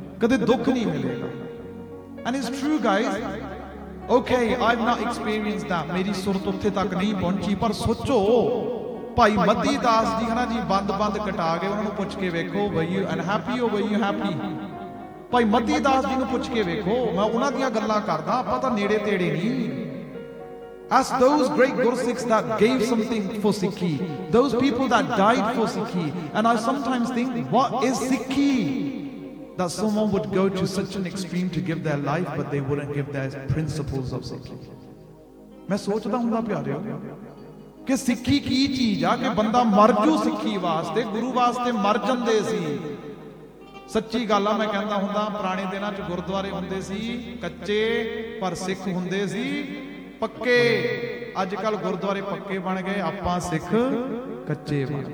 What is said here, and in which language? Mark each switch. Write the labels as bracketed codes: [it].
[pa] ਕਦੇ ਦੁੱਖ ਨਹੀਂ ਮਿਲੇਗਾ [en] and it's true guys okay I have not experienced that [pa] ਮੇਰੀ ਸੁਰਤ ਉੱਥੇ ਤੱਕ ਨਹੀਂ ਪਹੁੰਚੀ ਪਰ ਸੋਚੋ ਭਾਈ ਮੱਦੀ ਦਾਸ ਜੀ ਹਨਾ ਜੀ ਬੰਦ ਬੰਦ ਕਟਾ ਗਏ ਉਹਨਾਂ ਨੂੰ ਪੁੱਛ ਕੇ ਵੇਖੋ ਬਈ [en] you unhappy [pa] ਹੋ ਬਈ [en] you happy [pa] ਭਾਈ ਮੱਦੀ ਦਾਸ ਜੀ ਨੂੰ ਪੁੱਛ ਕੇ ਵੇਖੋ ਮੈਂ ਉਹਨਾਂ ਦੀਆਂ ਗੱਲਾਂ ਕਰਦਾ ਆਪਾਂ ਤਾਂ ਨੇੜੇ ਤੇੜੇ ਨਹੀਂ [en] As those great Gursikhs that gave something for Sikhi, those people that died for Sikhi, and I sometimes think, what is Sikhi? That someone would go to such an extreme to give their life, but they wouldn't give their principles of Sikhi. [pa] Main sochda hun da pyare ho ke Sikhi ki cheez aa ke banda mar ju Sikhi vaste guru vaste mar jande si ਸੱਚੀ ਗੱਲ ਆ ਮੈਂ ਕਹਿੰਦਾ ਹੁੰਦਾ ਪੁਰਾਣੇ ਦਿਨਾਂ 'ਚ ਗੁਰਦੁਆਰੇ ਹੁੰਦੇ ਸੀ ਕੱਚੇ ਪਰ ਸਿੱਖ ਹੁੰਦੇ ਸੀ ਪੱਕੇ ਅੱਜ ਕੱਲ੍ਹ ਗੁਰਦੁਆਰੇ ਪੱਕੇ ਬਣ ਗਏ ਆਪਾਂ ਸਿੱਖ ਕੱਚੇ